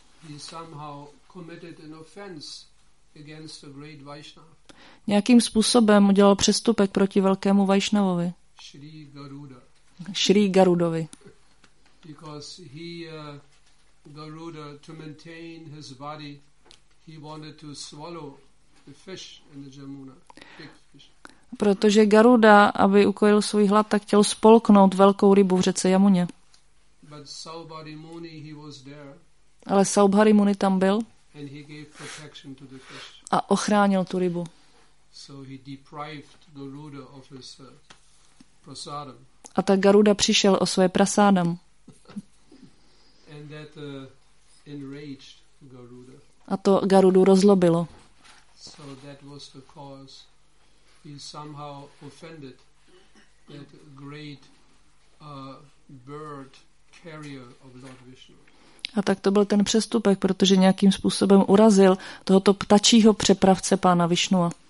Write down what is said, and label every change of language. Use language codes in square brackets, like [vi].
[en] He somehow committed an offense against the great Vaishnava. [cs] Nějakým způsobem udělal přestupek proti velkému Vaishnavovi. [en] Shri Garuda. [cs] Shri Garudovi. [en] Because he Garuda, to maintain his body, he wanted to swallow the fish in the Jamuna. [cs] Protože Garuda, aby ukojil svůj hlad, tak chtěl spolknout velkou rybu v řece Jamuně. [en] But Saubhari Muni, he was there. [cs] Ale Saubhari Muni tam byl. [en] And he gave protection to the fish. [cs] A ochránil tu rybu. [en] So he deprived Garuda of his prasadam. [cs] A tak Garuda přišel o své prasádam. [en] And that enraged Garuda. [cs] A to Garudu rozlobilo. [en] So that was the cause. is somehow offended that great bird carrier of Lord Vishnu. [cs] A tak to byl ten přestupek, protože nějakým způsobem urazil tohoto ptačího přepravce pána Višnua.